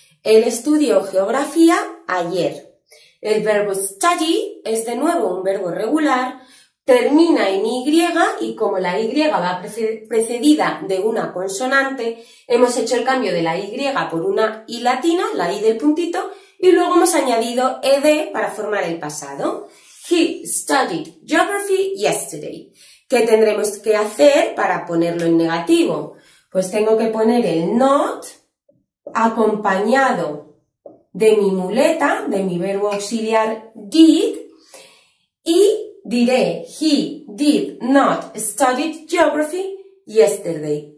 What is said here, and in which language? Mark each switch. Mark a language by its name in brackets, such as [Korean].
[Spanish] Él estudió geografía ayer. El verbo study es de nuevo un verbo regular. Termina en Y y como la Y va precedida de una consonante, hemos hecho el cambio de la Y por una I latina, la I del puntito, y luego hemos añadido ED para formar el pasado. [English] He studied geography yesterday. [Spanish] ¿Qué tendremos que hacer para ponerlo en negativo? Pues tengo que poner el not acompañado de mi muleta, de mi verbo auxiliar did, y diré, [English] he did not study geography yesterday.